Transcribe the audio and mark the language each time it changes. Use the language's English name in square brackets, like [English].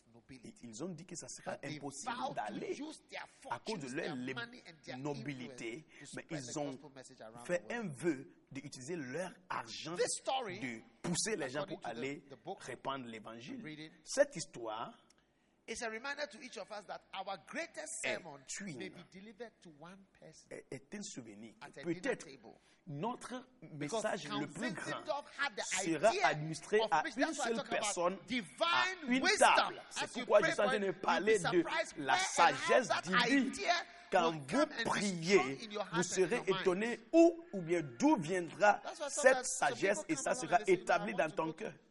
[French] Et ils ont dit que ça serait impossible d'aller à cause de leur nobilité, mais ils ont fait un vœu d'utiliser leur argent de pousser les gens pour aller répandre l'évangile. Cette histoire [English] is a reminder to each of us that our greatest sermon may be delivered to one person. [French] Est un souvenir. Peut-être notre message le plus grand sera administré à une seule personne à une table. C'est pourquoi je suis en train de parler de la sagesse divine. Quand vous priez, vous serez étonné où ou bien d'où viendra cette sagesse et ça sera établi dans ton cœur.